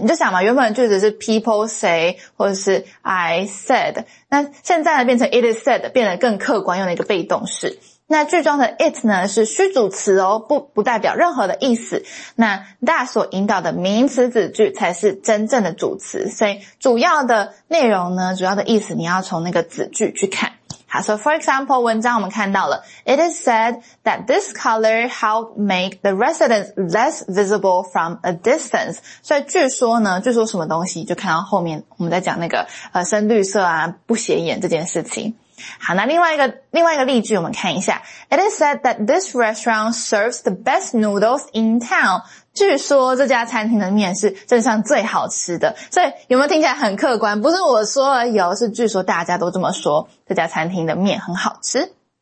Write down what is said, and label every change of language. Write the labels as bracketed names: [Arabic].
[Chinese] 你就想嘛，原本的句子是 people say 或者是 I said，那现在呢变成 It is said，变得更客观，用了一个被动式。那句中的 it 呢是虚主词哦，不代表任何的意思。那 that 所引导的名词子句才是真正的主词，所以主要的内容呢，主要的意思你要从那个子句去看。好，所以 for example 文章我们看到了 it is said that this color helped make the residents less visible from a distance。所以据说呢，据说什么东西，就看到后面我们在讲那个深绿色啊不显眼这件事情。好，那另外一个例句我们看一下。 [English] It is said that this restaurant serves the best noodles in town. [Chinese] 据说这家餐厅的面是镇上最好吃的。所以有没有听起来很客观？不是我说而已，是据说大家都这么说，这家餐厅的面很好吃。